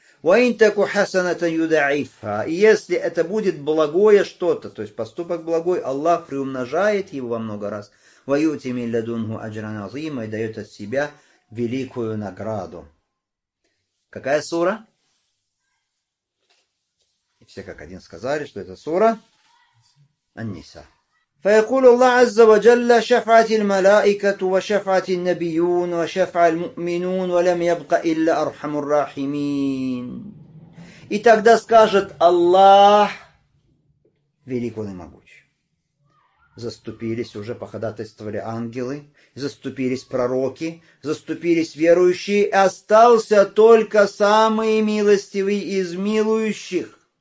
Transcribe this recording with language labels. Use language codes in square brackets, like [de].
[ar] Ваинтаку хасанатан юдаифа. [ru] И если это будет благое что-то, то есть поступок благой, Аллах приумножает его во много раз. [ar] Ваюти милладунху аджран азима [ru] и дает от себя великую награду. Какая сура? Все как один сказали, что это сура Ан-Ниса. [ar] فيقول الله عز وجل شفعة الملائكة وشفعة النبيون وشفعة المؤمنون ولم يبق إلا أرحم الراحمين. [ru] И тогда скажет Аллах, велик он и могуч. Заступились уже, походатайствовали ангелы, заступились пророки, заступились верующие, и остался только самый милостивый из милующих.